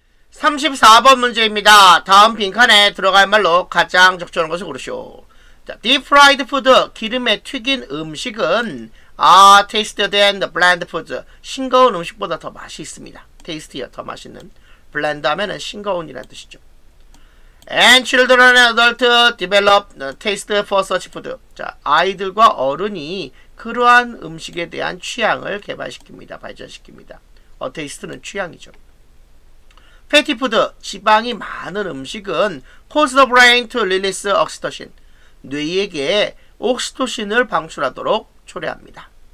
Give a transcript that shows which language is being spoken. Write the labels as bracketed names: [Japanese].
[Korean] 34번 문제입니다. 다음 빈칸에 들어갈 말로 가장 적절한 것을 고르시오. [English] 자, deep fried food, [Korean] 기름에 튀긴 음식은 [English] are tastier than the bland food. [Korean] 싱거운 음식보다 더 맛이 있습니다. tastier, 더 맛있는. bland 하면은 싱거운이라는 뜻이죠. [English] And children and adults develop taste for such food. [Korean] 자, 아이들과 어른이 그러한 음식에 대한 취향을 개발시킵니다. 발전시킵니다. 어, taste는 취향이죠. [English] Fatty food, [Korean] 지방이 많은 음식은 [English] cause the brain to release oxytocin. [Korean] 뇌에게 옥시토신을 방출하도록 초래합니다.